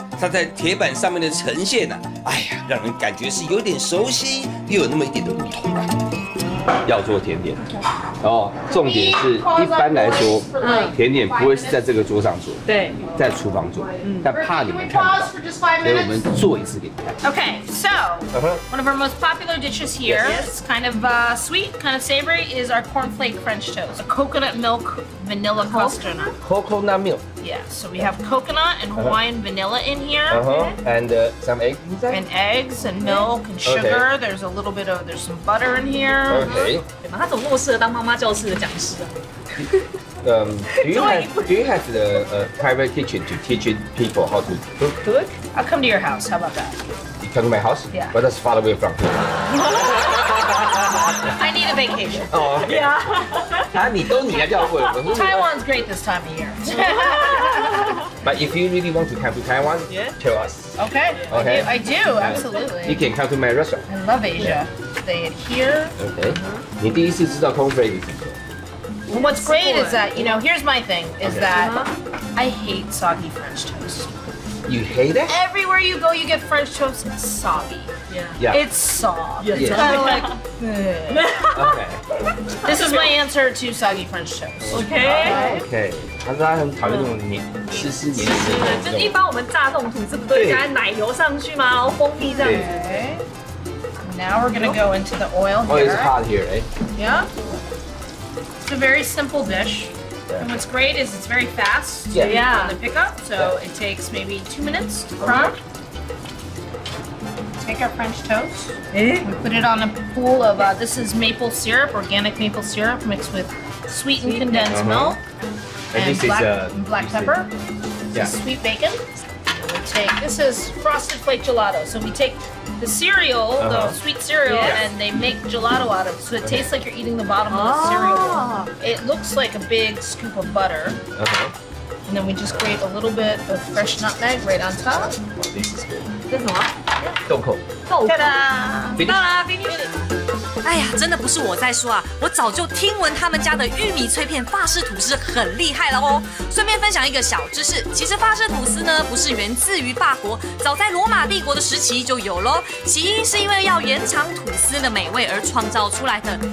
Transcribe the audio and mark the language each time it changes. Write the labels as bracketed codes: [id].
[zh] 它在铁板上面的呈现呢、啊，哎呀，让人感觉是有点熟悉，又有那么一点的不同啊。要做甜点，哦，重点是一般来说，甜点不会是在这个桌上做，对，在厨房做，但怕你们看不到，所以我们做一次给你看。 [en] Okay, so one of our most popular dishes here, it's kind of sweet, kind of savory, is our cornflake French toast, a coconut milk vanilla custard. Coconut milk. Yeah, so we have coconut and Hawaiian vanilla in here, and some eggs inside. And eggs and milk and sugar. There's a little bit of there's some butter in here. Okay. [zh] 他怎么那么适合当妈妈教室的讲师啊？ [en] Do you have the private kitchen to teach people how to cook? Cook? I'll come to your house. How about that? You come to my house? Yeah. But that's far away from here. I need a vacation. Oh, okay. Yeah. Taiwan's great this time of year. But if you really want to come to Taiwan, tell us. Okay. I do, absolutely. You can come to my restaurant. I love Asia. Stay it here. Okay. [zh] 你第一次知道 Tom Brady 是什么？ [en] What's great is that, you know, here's my thing, is that I hate soggy French toast. You hate it? Everywhere you go, you get French toast. It's soggy. Yeah. It's soft. Yeah. It's kind of like this. Okay. This is my answer to soggy French toast. Okay. Okay. [zh] 他说他很讨厌那种黏，湿湿黏黏。就是一般我们炸这种吐司，不都加奶油上去吗？然后蜂蜜这样子。 [en] Okay. Now we're gonna go into the oil here. Oh, it's hot here, eh? Yeah. It's a very simple dish. And what's great is it's very fast on the pickup, so it takes maybe 2 minutes to prime. Take our French toast. We put it on a pool of, this is maple syrup, organic maple syrup mixed with sweetened condensed milk and black pepper. This is sweet bacon. This is frosted flake gelato. So we take the cereal, the sweet cereal, and they make gelato out of it. So it tastes like you're eating the bottom of the cereal. It looks like a big scoop of butter. And then we just grate a little bit of fresh nutmeg right on top. [zh] 哎呀，真的不是我在说啊，我早就听闻他们家的玉米脆片法式吐司很厉害了哦。顺便分享一个小知识，其实法式吐司呢不是源自于法国，早在罗马帝国的时期就有咯，起因是因为要延长吐司的美味而创造出来的。